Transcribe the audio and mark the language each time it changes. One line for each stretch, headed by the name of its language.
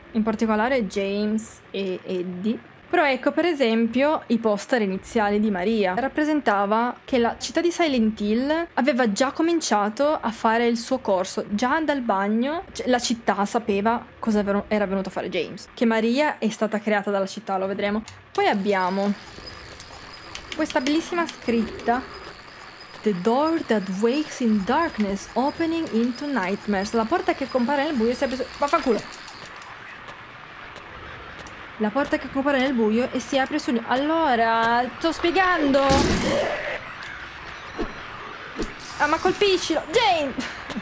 Italian: In particolare James e Eddie. Però ecco, per esempio, i poster iniziali di Maria rappresentava che la città di Silent Hill aveva già cominciato a fare il suo corso. Già dal bagno la città sapeva cosa era venuto a fare James. Che Maria è stata creata dalla città, lo vedremo. Poi abbiamo questa bellissima scritta.
English: The door that wakes in darkness, opening into nightmares.
Italian: La porta che compare nel buio si è preso... Vaffanculo! La porta che compare nel buio e si apre su... Allora, sto spiegando! Ah, ma colpiscilo! Jane!